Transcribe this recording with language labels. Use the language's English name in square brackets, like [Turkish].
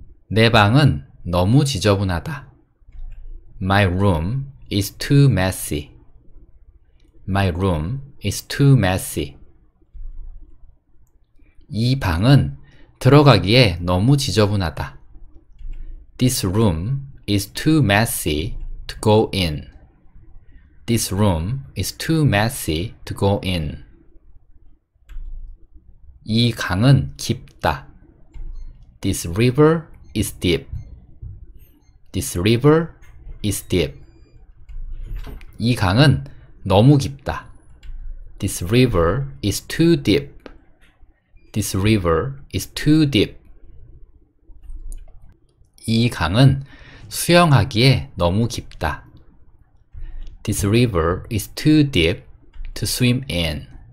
[Korean] 내 방은 너무 지저분하다. [English] My room is too messy. My room is too messy. [Korean] 이 방은 들어가기에 너무 지저분하다. [English] This room is too messy to go in. This room is too messy to go in. [Korean] 이 강은 깊다. [English] This river is deep. This river is deep. [Korean] 이 강은 너무 깊다. [English] This river is too deep. This river is too deep. [Korean] 이 강은 수영하기에 너무 깊다. [English] This river is too deep to swim in.